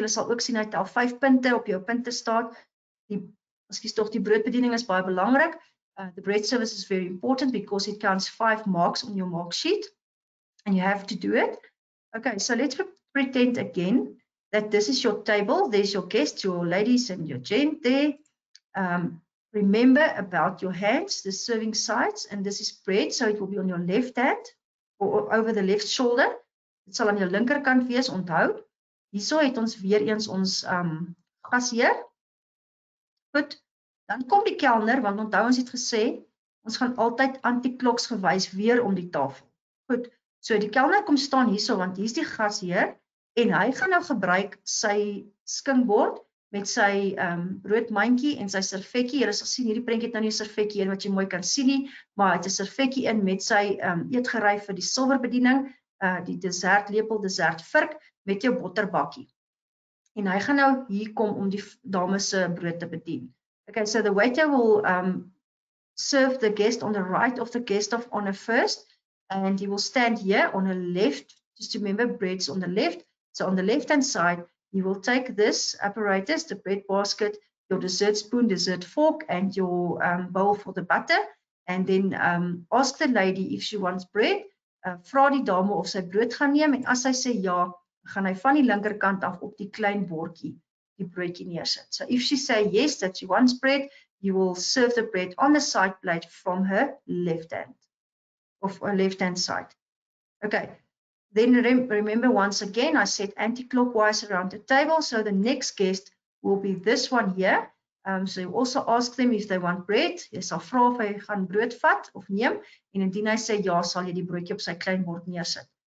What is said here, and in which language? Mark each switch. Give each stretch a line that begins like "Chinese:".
Afrikaans: Jy sal ook sien hy tel 5 punte op jou punte staat. Die broodbediening is baie belangrik.
English: The bread service is very important because it counts 5 marks on your mark sheet and you have to do it. Okay, so let's pretend again that this is your table. There's your guests, your ladies and your gent there. Remember about your hands, the serving sides, and this is bread, so it will be on your left hand or over the left shoulder.
Afrikaans: Dit sal aan jou linkerkant wees, onthou. Hierso het ons weer eens ons gasheer. Goed, dan kom die kelner, want onthou ons het gesê, ons gaan altyd anti-kloks gewys weer om die tafel. Goed, so die kelner kom staan hierso, want hier is die gasheer, en hy gaan nou gebruik sy skinkbord met sy broodmandjie en sy servetjie. Jy sal sien, hierdie prentjie het nou nie 'n servetjie in, wat jy mooi kan sien nie, maar het 'n servetjie in met sy eetgerei vir die silverbediening, die dessertlepel, dessertvurk met jou botterbakkie. En hy gaan nou hier kom om die dames se brood te bedien.
English: Okay, so the waiter will serve the guest on the right of the guest of honor first and he will stand here on the left, just remember bread's on the left. So on the left hand side, he will take this apparatus, the bread basket, your dessert spoon, dessert fork and your bowl for the butter and then ask the lady if she wants bread.
Afrikaans: Vra die dame of sy brood gaan neem en as sy sê ja, gaan hy van die linkerkant af op die klein bordjie die broodjie neersit.
English: So if she say yes that she wants bread, you will serve the bread on the side plate from her left hand of her left hand side. Okay. Then remember once again I said anti-clockwise around the table, so the next guest will be this one here. So you also ask them if they want bread.
Afrikaans: Jy sal vra of hy gaan brood vat of neem en indien hy sê ja, sal jy die broodjie op sy klein bord neersit.